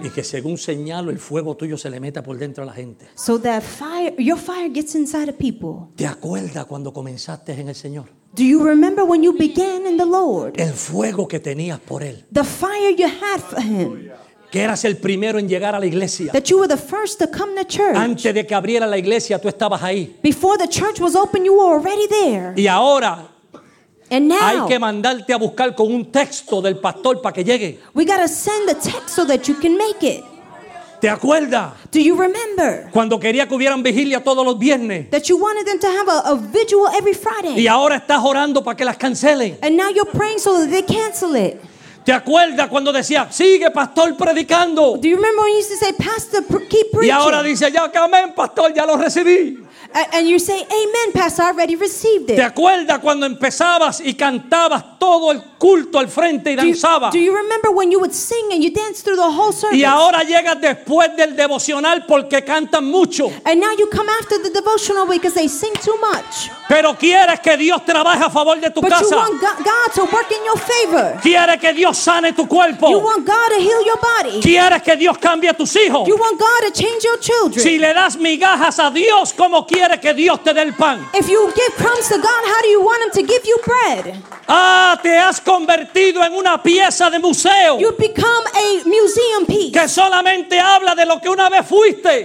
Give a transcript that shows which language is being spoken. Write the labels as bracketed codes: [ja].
[es] Y que según señalo el fuego tuyo se le meta por dentro a la gente. [en] So that fire, your fire gets inside of people. [es] ¿Te acuerdas cuando comenzaste en el Señor? [en] Do you remember when you began in the Lord? [es] El fuego que tenías por él. [en] The fire you had for him. [es] Que eras el primero en llegar a la iglesia. [en] That you were the first to come to church. [es] Antes de que abriera la iglesia, tú estabas ahí. [en] Before the church was open, you were already there. [es] Y ahora, [en] and now, [es] hay que mandarte a buscar con un texto del pastor para que llegue. [en] We gotta send a text so that you can make it. [es] ¿Te acuerdas? [en] Do you remember? [es] Cuando quería que hubieran vigilia todos los viernes. [en] That you wanted them to have a vigil every Friday. [es] Y ahora estás orando para que las cancelen. [en] And now you're praying so that they cancel it. [es] ¿Te acuerdas cuando decía, sigue pastor predicando? [en] Do you remember when you used to say, pastor, keep preaching? [es] Y ahora dice, ya que amén, pastor, ya lo recibí. [en] And you say, amen, pastor, I already received it. [es] ¿Te acuerdas cuando empezabas y cantabas todo el culto al frente y danzabas? [en] Do you remember when you would sing and you danced through the whole service? [es] Y ahora llegas después del devocional porque cantan mucho. [en] And now you come after the devotional because they sing too much. [es] Pero quieres que Dios trabaje a favor de tu [en] but [es] casa. [en] But you want God to work in your favor. [es] Quieres que Dios sane tu cuerpo. [en] You want God to heal your body. [es] Quieres que Dios cambie a tus hijos. [en] You want God to change your children. [es] Si le das migajas a Dios, ¿cómo quieres que Dios te dé el pan? [en] If you give crumbs to God, how do you want him to give you bread? [es] Ah, te has convertido en una pieza de museo. [en] You become a museum piece. [es] Que solamente habla de lo que una vez fuiste.